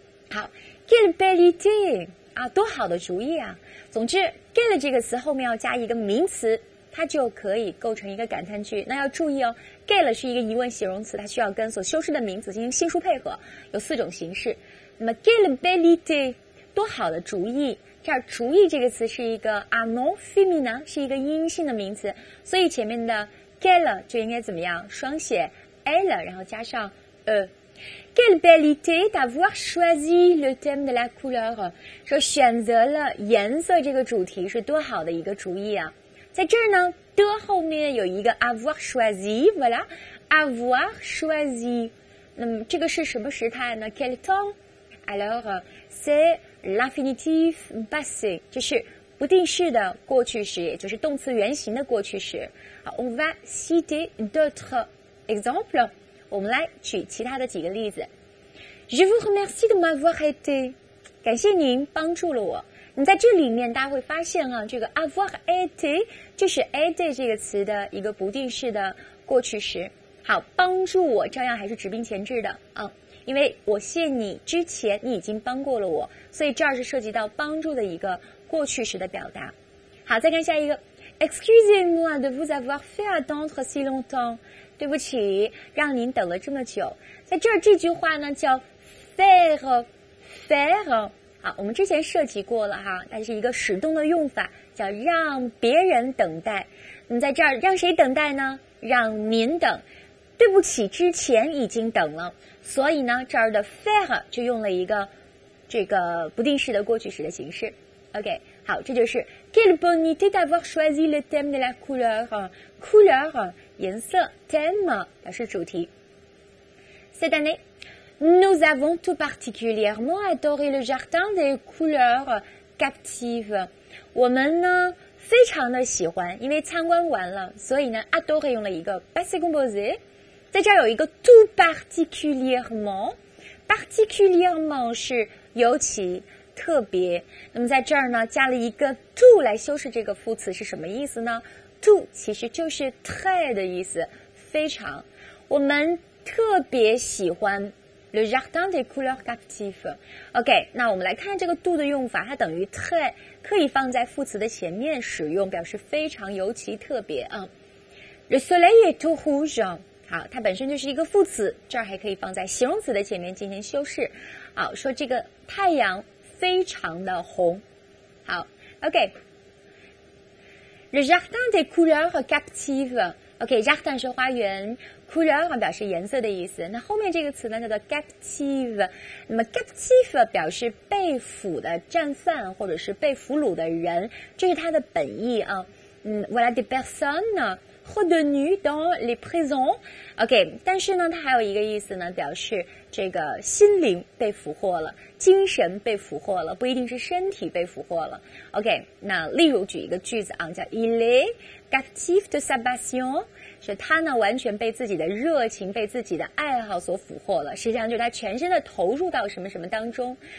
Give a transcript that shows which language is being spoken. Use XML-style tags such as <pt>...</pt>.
<zh>好</zh> <fr>quelle belle idée,</fr> <zh>啊多好的主意啊总之 quel 这个词后面要加一个名词它就可以构成一个感叹句那要注意哦 ,quelle 是一个疑问形容词它需要跟所修饰的名词进行新书配合有四种形式。那么</zh> <fr>quelle belle idée,</fr> <zh>多好的主意这儿主意这个词是一个</zh> <fr>anon féminin,</fr> <zh>是一个阴性的名词所以前面的 quelle 就应该怎么样双写 elle, 然后加上 e。</zh> <fr>Quelle belle idée d'avoir choisi le thème de la couleur,</fr> <zh>说选择了颜色这个主题是多好的一个主意啊。在这儿呢的后面有一个</zh> <fr>avoir choisi, voilà, avoir choisi,</fr> <zh>那么这个是什么时态呢 ?</zh> <fr>quel temps? Alors, c'est l'infinitif passé,</fr> <zh>就是不定式的过去时，就是动词原形的过去时。</zh> <fr>On va citer d'autres exemples.</fr> <zh>我们来举其他的几个例子。</zh> <fr>Je vous remercie de m'avoir aidé.</fr> <zh>感谢您帮助了我。你在这里面大家会发现啊，这个</zh> <fr>avoir aidé</fr> <zh>就是 aidé 这个词的一个不定式的过去时。好，帮助我照样还是指定前置的啊，因为我谢你之前你已经帮过了我，所以这儿是涉及到帮助的一个过去时的表达。好，再看下一个。</zh> <fr>Excusez-moi de vous avoir fait attendre si longtemps.</fr> <zh>对不起，让您等了这么久。在这儿这句话呢叫 faire。好，我们之前涉及过了哈，它是一个使动的用法，叫让别人等待。你在这儿让谁等待呢？让您等。对不起，之前已经等了。所以呢这儿的 faire 就用了一个这个不定式的过去时的形式。</zh> <fr>OK, 好，</fr> <zh>这就是</zh> <fr>Quelle bonne idée d'avoir choisi le thème de la couleur.</fr> <zh>Couleur, 颜色 thème, 表示主题。</zh> <fr>Cette année, nous avons tout particulièrement adoré le jardin des couleurs captives.</fr> <zh>我们呢非常的喜欢，因为参观完了，所以呢 adoré 用了一个 passé composé, 在这儿有一个</zh> <fr>tout particulièrement,</fr> <zh>particulièrement 是尤其特别，那么在这儿呢加了一个 to 来修饰这个副词是什么意思呢？ to 其实就是 très 的意思，非常。我们特别喜欢</zh> <fr>le jardin des couleurs captives。</fr> <zh>OK, 那我们来看这个 to 的用法，它等于 très, 可以放在副词的前面使用，表示非常尤其特别啊。</zh> <fr>le soleil est tout rouge。</fr> <zh>好，它本身就是一个副词，这儿还可以放在形容词的前面进行修饰。好，说这个太阳非常的红。好 ,OK。</zh> <fr>Le jardin des couleurs captives.</fr> <zh>OK, jardin 是花园， couleur 表示颜色的意思。那后面这个词呢叫做 captive。那么 captive 表示被俘的战犯或者是被俘虏的人，这是它的本意啊。</zh> <fr>Voilà des personnes retenues dans les prisons.</fr> <zh>OK, 但是呢它还有一个意思呢，表示这个心灵被俘获了，精神被俘获了，不一定是身体被俘获了。 OK, 那例如举一个句子啊，叫</zh> <fr>Il est captif de sa passion,</fr> <zh>是他呢完全被自己的热情被自己的爱好所俘获了，实际上就是他全身的投入到什么什么当中。</zh>